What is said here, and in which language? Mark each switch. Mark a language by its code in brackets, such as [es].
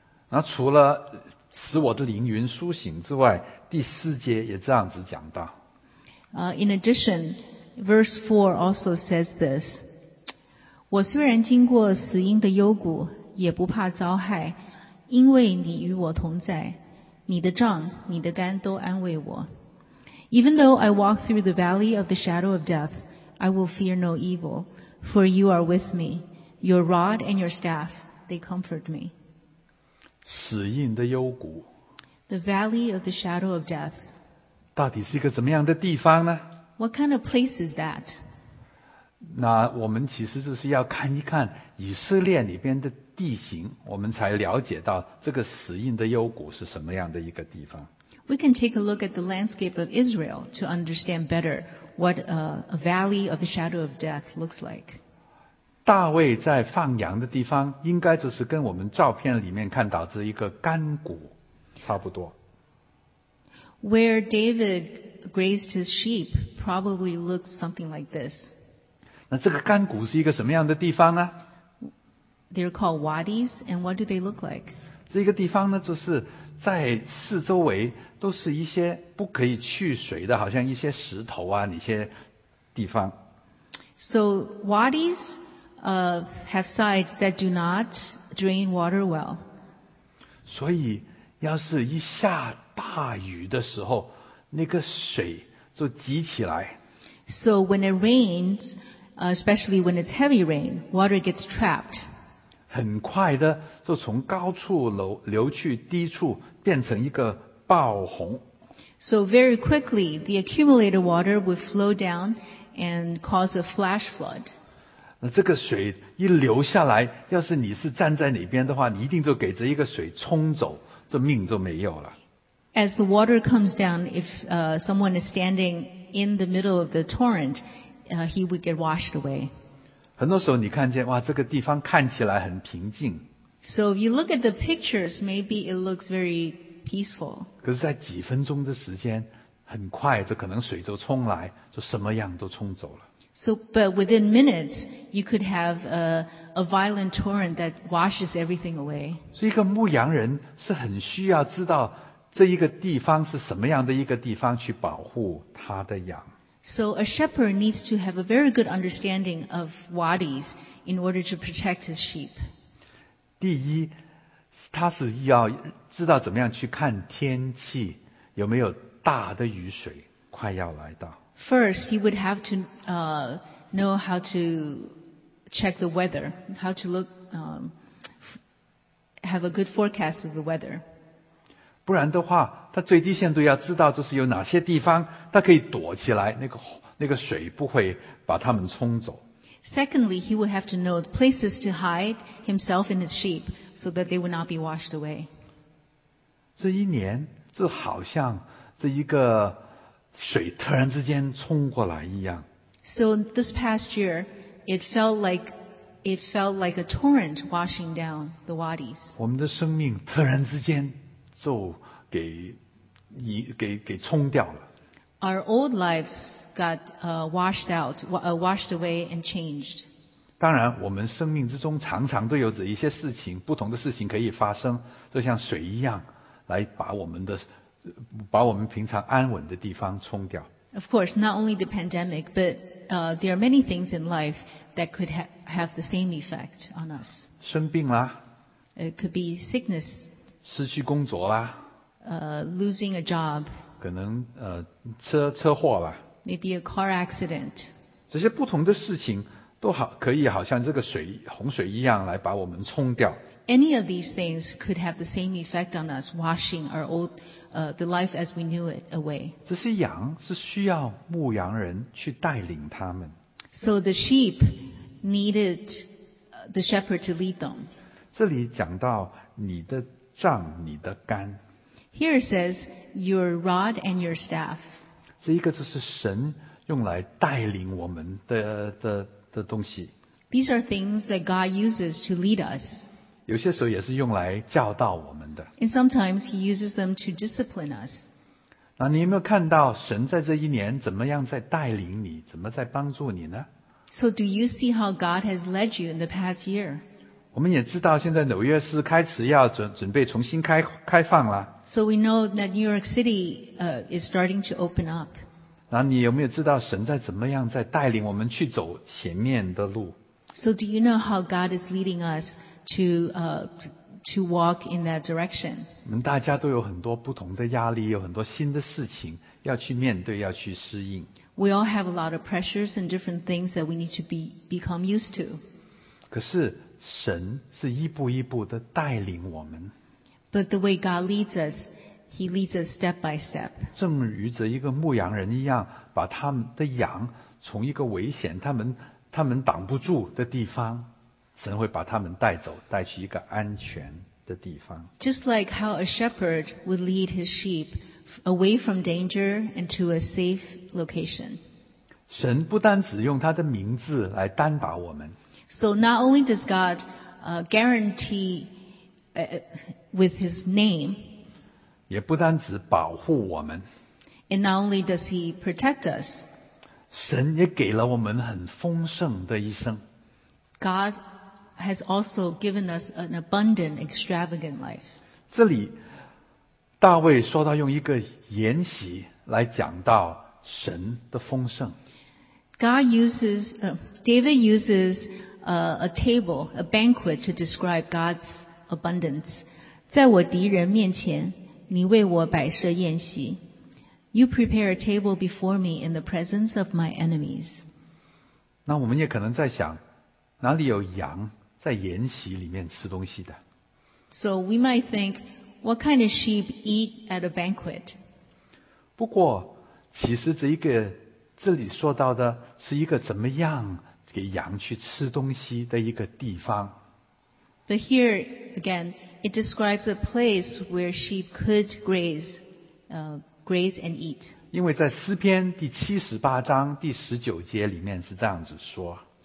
[zh] 那除了使我的灵云苏醒之外，第四节也这样子讲到。 [en] In addition, verse 4 also says this. [zh] 我虽然经过死荫的幽谷，也不怕遭害，因为你与我同在，你的杖、你的竿都安慰我。 [en] Even though I walk through the valley of the shadow of death,I will fear no evil, for you are with me. Your rod and your staff, they comfort me. [zh] 死荫的幽谷。 [en] The valley of the shadow of death. [zh] 到底是一个怎么样的地方呢？ [en] What kind of place is that? [zh] 那我们其实就是要看一看以色列里边的地形，我们才了解到这个死荫的幽谷是什么样的一个地方。 [en] We can take a look at the landscape of Israel to understand better what a valley of the shadow of death looks like. [zh] 大卫在放羊的地方应该就是跟我们照片里面看到这一个干谷差不多。 [en] Where David grazed his sheep probably looked something like this. [zh] 那这个干谷是一个什么样的地方呢？ [en] They're called wadis, and what do they look like? [zh] 这个地方呢就是在四周围都是一些不可以去水的，好像一些石头啊，那些地方。 [en] So wadis have sides that do not drain water well. [zh] 所以要是一下大雨的时候，那个水就积起来。 [en] So when it rains, especially when it's heavy rain, water gets trapped. [zh] 很快的就从高处流去低处，变成一个爆洪。 [en] So very quickly, the accumulated water would flow down and cause a flash flood. [zh] 那这个水一流下来，要是你是站在哪边的话，你一定就给这一个水冲走，这命就没有了。 [en] As the water comes down, if someone is standing in the middle of the torrent, he would get washed away. [zh] 很多时候你看见哇，这个地方看起来很平静。 [en] So if you look at the pictures, maybe it looks very peaceful. [zh] 可是在几分钟的时间，很快就可能水就冲来，就什么样都冲走了。 [en] So but within minutes, you could have a violent torrent that washes everything away. [zh] 所以一个牧羊人是很需要知道这一个地方是什么样的一个地方去保护他的羊。 [en] So a shepherd needs to have a very good understanding of wadis in order to protect his sheep. [zh] 第一，他是要知道怎么样去看天气，有没有大的雨水快要来到。 [en] First, he would have to know how to check the weather, how to look, have a good forecast of the weather. [zh] 不然的话，他最低限度要知道，就是有哪些地方他可以躲起来，那个水不会把他们冲走。 [en] Secondly, he would have to know the places to hide himself and his sheep so that they would not be washed away. [zh] 这一年就好像这一个水突然之间冲过来一样。 [en] So this past year, it felt like a torrent washing down the wadis. [zh] 我们的生命突然之间。就给冲掉了。 [en] Our old lives got washed out, washed away and changed. [zh] 当然，我们生命之中常常都有着一些事情，不同的事情可以发生，就像水一样，来把我们平常安稳的地方冲掉。 [en] Of course, not only the pandemic, but there are many things in life that could have the same effect on us. [zh] 生病啦。 [en] It could be sickness. [zh] 失去工作啦。 [en] Losing a job. [zh] 可能车祸啦。 [en] Maybe a car accident. [zh] 这些不同的事情都好可以好像这个水洪水一样来把我们冲掉。 [en] Any of these things could have the same effect on us, washing our old, the life as we knew it away. [zh] 这些羊是需要牧羊人去带领他们。 [en] So the sheep needed the shepherd to lead them. [zh] 这里讲到你的杖、你的竿。 [en] Here it says your rod and your staff. [zh] 这一个就是神用来带领我们的东西。 [en] These are things that God uses to lead us. [zh] 有些时候也是用来教导我们的。 [en] And sometimes He uses them to discipline us. [zh] 那你有没有看到神在这一年怎么样在带领你，怎么在帮助你呢 [en] ？So do you see how God has led you in the past year？ [zh] 我们也知道现在纽约市开始要准备重新开放了。 [en] So we know that New York City is starting to open up。 [zh] 那你有没有知道神在怎么样在带领我们去走前面的路 [en] ？So do you know how God is leading us to walk in that direction. [zh] 我们大家都有很多不同的压力，有很多新的事情要去面对，要去适应。 [en] We all have a lot of pressures and different things that we need to become used to. [zh] 可是神是一步一步的带领我们。 [en] But the way God leads us, He leads us step by step. [zh] 正如着一个牧羊人一样，把他们的羊从一个危险，他们挡不住的地方。神会把他们带走，带去一个安全的地方。 [en] Just like how a shepherd would lead his sheep away from danger and to a safe location. [zh] 神不单只用他的名字来担保我们。 [en] So not only does God guarantee with his name. [zh] 也不单只保护我们。 [en] And not only does he protect us. [zh] 神也给了我们很丰盛的一生。 [en] God has also given us an abundant, extravagant life. [zh] 这里大卫说到用一个筵席来讲到神的丰盛。 [en] God uses, David uses a table, a banquet to describe God's abundance. [zh] 在我敌人面前，你为我摆设宴席。 [en] You prepare a table before me in the presence of my enemies. [zh] 那我们也可能在想，哪里有羊？在筵席里面吃东西的。 [en] So we might think, what kind of sheep eat at a banquet? [zh] 不过，其实这里说到的是一个怎么样给羊去吃东西的一个地方。 [en] But here again, it describes a place where sheep could graze and eat. [zh] 因为在诗篇第七十八章第十九节里面是这样子说。